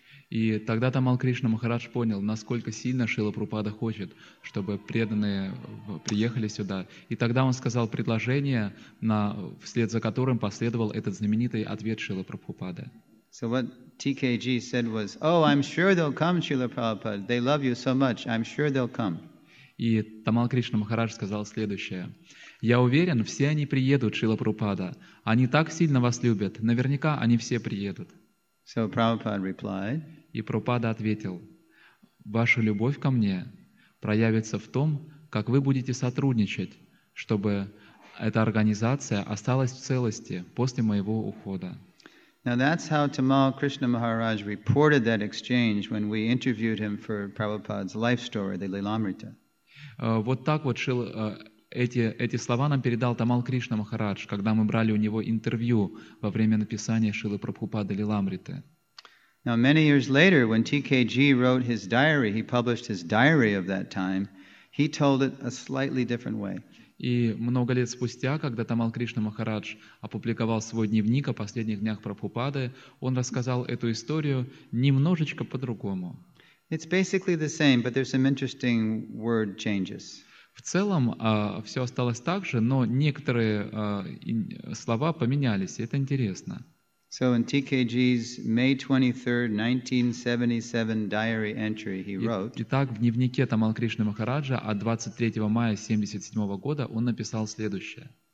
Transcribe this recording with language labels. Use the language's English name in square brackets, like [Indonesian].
[Russian] И тогда Тамал Кришна Махарадж понял, насколько сильно Шрила Прабхупада хочет, чтобы преданные приехали сюда. И тогда он сказал предложение, вслед за которым последовал этот знаменитый ответ Шрилы Прабхупады. [English] So what TKG said was, "Oh, I'm sure they'll come, Srila Prabhupada. They love you so much. I'm sure they'll come." [Russian] И Тамал Кришна Махарадж сказал следующее: "Я уверен, все они приедут, Шрила Прабхупада. Они так сильно вас любят. Наверняка они все приедут." [English] So Prabhupada replied. [Russian] И Прабхупада ответил: "Ваша любовь ко мне проявится в том, как вы будете сотрудничать, чтобы эта организация осталась в целости после моего ухода." [English] Now that's how Tamal Krishna Maharaj reported that exchange when we interviewed him for Prabhupada's life story, the Lilamrita. [Russian] Вот так вот эти слова нам передал Тамал Кришна Махарадж, когда мы брали у него интервью во время написания Шрилы Прабхупады Лиламриты. [English] Now many years later, when TKG wrote his diary, he published his diary of that time, He told it a slightly different way. [Russian] И много лет спустя, когда Тамал Кришна Махарадж опубликовал свой дневник о последних днях Прабхупады, он рассказал эту историю немножечко по-другому. [English] It's basically the same, but there's some interesting word changes. [Russian] В целом, все осталось так же, но некоторые слова поменялись, и это интересно. [English] So in TKG's May 23rd, 1977 diary entry, he wrote. [Russian] Итак, в дневнике Тамал Кришны Махараджа от 23 мая 77 года он написал следующее.